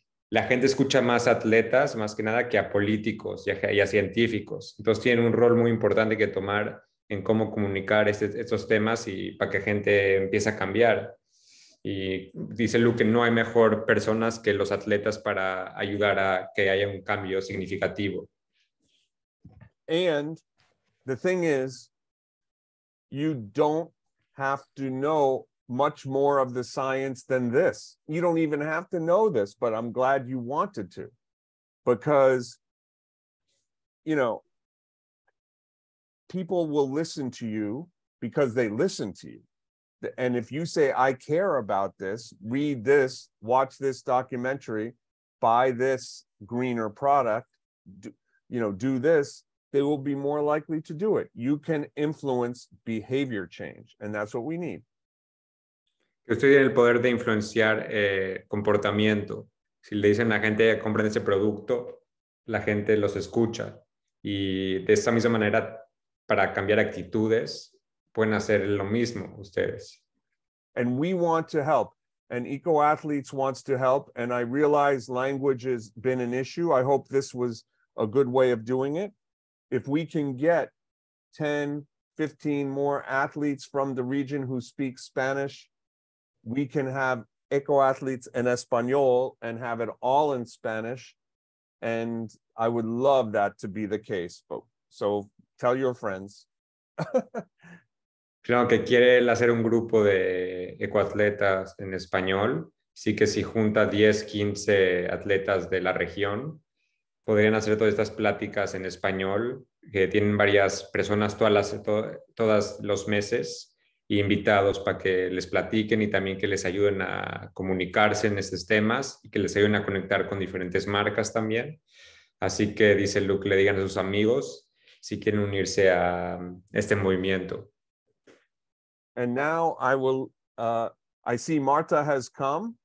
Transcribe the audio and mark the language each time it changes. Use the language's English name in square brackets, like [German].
[Spanish] La gente escucha más a atletas, más que nada, que a políticos y a científicos. Entonces tienen un rol muy importante que tomar en cómo comunicar estos temas y para que gente empiece a cambiar. Y dice Lou que no hay mejor personas que los atletas para ayudar a que haya un cambio significativo. [English] And the thing is, you don't have to know much more of the science than this. You don't even have to know this, but I'm glad you wanted to, because, you know, people will listen to you because they listen to you. And if you say, I care about this, read this, watch this documentary, buy this greener product, do this, they will be more likely to do it. You can influence behavior change. And that's what we need. [Spanish] Usted tiene el poder de influenciar comportamiento. Si le dicen a la gente, compren ese producto, la gente los escucha. Y de esa misma manera, para cambiar actitudes, pueden hacer lo mismo ustedes. [English] and we want to help. And EcoAthletes wants to help. And I realize language has been an issue. I hope this was a good way of doing it. If we can get 10, 15 more athletes from the region who speak Spanish, we can have EcoAthletes en Español and have it all in Spanish. And I would love that to be the case. So tell your friends. [Spanish] Claro, que quiere él hacer un grupo de ecoatletas en español. Sí que si junta 10, 15 atletas de la región, podrían hacer todas estas pláticas en español, que tienen varias personas todas los meses e invitados para que les platiquen y también que les ayuden a comunicarse en estos temas y que les ayuden a conectar con diferentes marcas también. Así que dice Luke, le digan a sus amigos si quieren unirse a este movimiento. [English] And now I will, I see Marta has come.